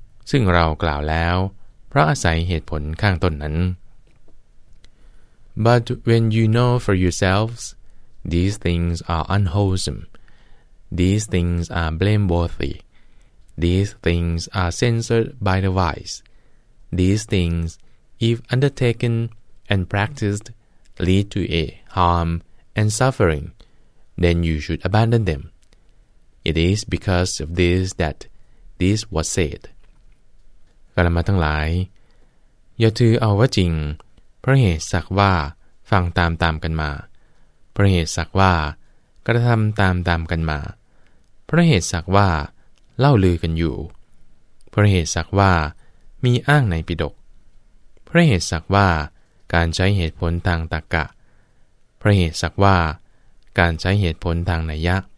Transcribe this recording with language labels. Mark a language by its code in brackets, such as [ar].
[th] ซึ่งเรากล่าวแล้วเพราะอาศัยเหตุผลข้างต้นนั้น [en] But when you know for yourselves these things are unwholesome, these things are blameworthy, these things are censored by the wise, these things, if undertaken and practiced, lead to a harm and suffering, then you should abandon them. It is because of this that this was said. [th] กลมาทั้งหลายอย่าถือเอาว่าจริงเพราะเหตุสักว่าฟังตามกันมาเพราะเหตุสักว่ากระทำตามกันมาเพราะเหตุสักว่าเล่าลือกันอยู่เพราะเหตุสักว่ามีอ้างในปิฎกเพราะเหตุสักว่าการใช้เหตุผลทางตรรกะเพราะเหตุสักว่าการใช้เหตุผลทางนัยยะ